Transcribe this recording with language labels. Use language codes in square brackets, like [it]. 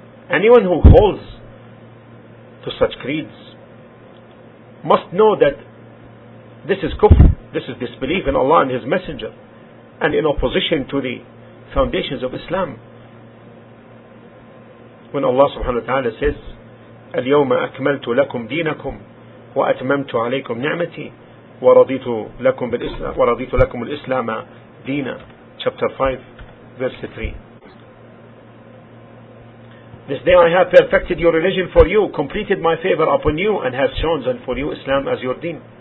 [en] Anyone who holds to such creeds must know that this is kufr, this is disbelief in Allah and His Messenger, and in opposition to the foundations of Islam. When Allah subhanahu wa ta'ala says, [ar] اليوم أكملت لكم دينكم وأتممت عليكم نعمتي ورضيت لكم الإسلام دينا. [en] Chapter 5, verse 3. This day I have perfected your religion for you, completed my favor upon you, and has chosen for you Islam as your deen.